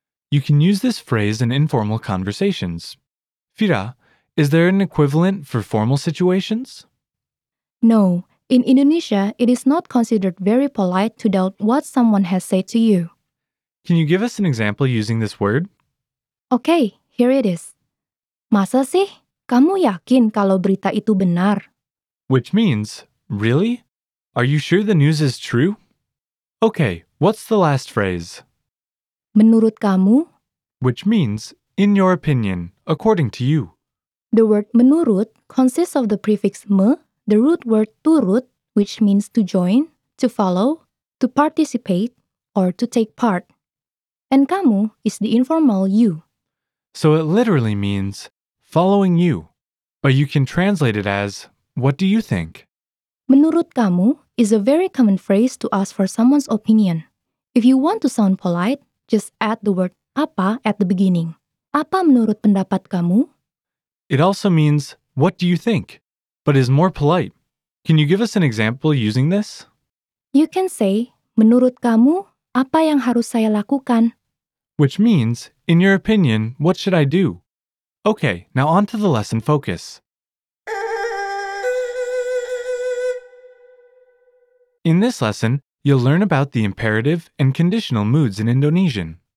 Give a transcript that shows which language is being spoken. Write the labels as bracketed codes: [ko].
[en] You can use this phrase in informal conversations. Fira, is there an equivalent for formal situations? No. In Indonesia, it is not considered very polite to doubt what someone has said to you. Can you give us an example using this word? Okay, here it is. [id] Masa sih? Kamu yakin kalau berita itu benar? [en] Which means, really? Are you sure the news is true? Okay, what's the last phrase? [id] Menurut kamu? [en] Which means, in your opinion, according to you. The word menurut consists of the prefix me, the root word turut, which means to join, to follow, to participate, or to take part. And kamu is the informal you. So it literally means following you, but you can translate it as, what do you think? Menurut kamu is a very common phrase to ask for someone's opinion. If you want to sound polite, just add the word apa at the beginning. [id] Apa menurut pendapat kamu? [en] It also means, what do you think? But is more polite. Can you give us an example using this? You can say, [id] menurut kamu, apa yang harus saya lakukan? [en] Which means, in your opinion, what should I do? Okay, now on to the lesson focus. In this lesson, you'll learn about the imperative and conditional moods in Indonesian.